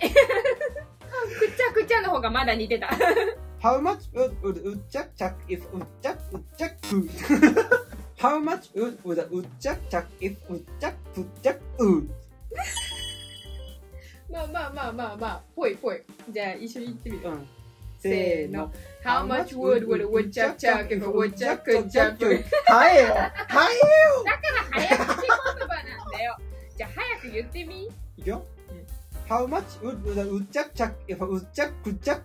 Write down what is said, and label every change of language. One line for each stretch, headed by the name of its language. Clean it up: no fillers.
Japanese: くちゃくちゃの方がまだ似てた。
English: How much would would woodchuck chuck if woodchuck woodchuck could? How much would would woodchuck chuck if woodchuck woodchuck could?
Japanese: まあまあまあまあまあ、ぽいぽい。じゃあ一緒に言ってみる。うん、せーの。
English: How much wood would a woodchuck chuck if a woodchuck could chuck wood?
Japanese: はえよ、はえよ。だから早口言葉なんだよ。じゃあ早く言ってみ。いくよ。
English: How much wood would a woodchuck chuck if a woodchuck could chuck